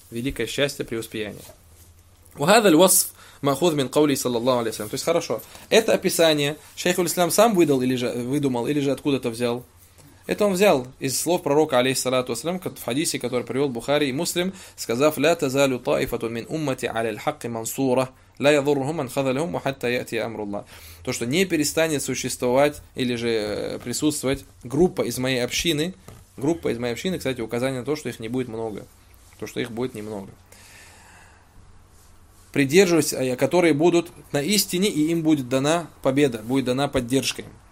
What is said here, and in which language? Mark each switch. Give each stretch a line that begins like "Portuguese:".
Russian: Великое счастье, преуспеяние.
Arabic: Вахадаль васф махуд мин каули саллаллаху алейхи ва саллям.
Russian: То есть хорошо. Это описание шейх аль-Ислам сам выдал или же выдумал, или же откуда-то взял. Это он взял из слов пророка, алейхиссалату ассалям, в хадисе, который привел Бухари и Муслим, сказав,
Arabic: «Ля тазалю таифату мин уммати аляль-хакки мансура». لا يضرهم من خذلهم حتى يأتي أمر الله.
Russian: То, что не перестанет существовать или же присутствовать группа из моей общины, группа из моей общины, кстати, указание на то, что их не будет много, то, что их будет немного. Придерживаясь, которые будут на истине, и им будет дана победа, будет дана поддержка.